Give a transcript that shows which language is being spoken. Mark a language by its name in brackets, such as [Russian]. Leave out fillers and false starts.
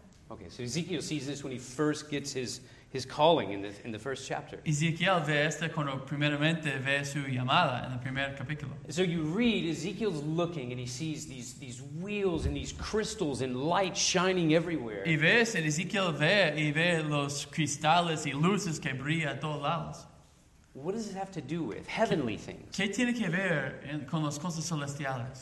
[English] Okay, so Ezekiel sees this when he first gets his calling in the first chapter. [Spanish] Ezekiel ve esto cuando primeramente ve su llamada en el primer capítulo. [English] So you read, Ezekiel's looking and he sees these wheels and these crystals and light shining everywhere. [Spanish] Y ve, Ezekiel ve y ve los cristales y luces que brillan a todos lados. [English] What does it have to do with heavenly things? [Spanish] ¿Qué tiene que ver con las cosas celestiales?